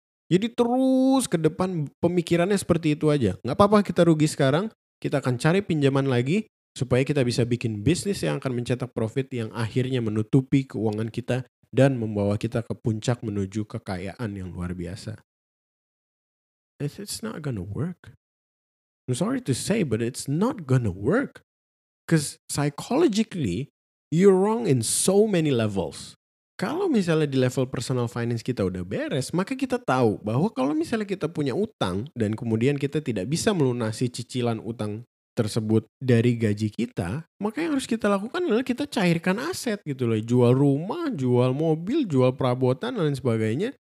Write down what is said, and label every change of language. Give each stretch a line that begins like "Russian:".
Indonesian: Jadi terus ke depan pemikirannya seperti itu aja. Gak apa-apa kita rugi sekarang, kita akan cari pinjaman lagi supaya kita bisa bikin bisnis yang akan mencetak profit yang akhirnya menutupi keuangan kita dan membawa kita ke puncak menuju kekayaan yang luar biasa.
English: It's not gonna work. I'm sorry to say, but it's not gonna work. Because psychologically, you're wrong in so many levels.
Indonesian: Kalau misalnya di level personal finance kita udah beres, maka kita tahu bahwa kalau misalnya kita punya utang dan kemudian kita tidak bisa melunasi cicilan utang tersebut dari gaji kita, maka yang harus kita lakukan adalah kita cairkan aset gitu loh. Jual rumah, jual mobil, jual perabotan, dan lain sebagainya.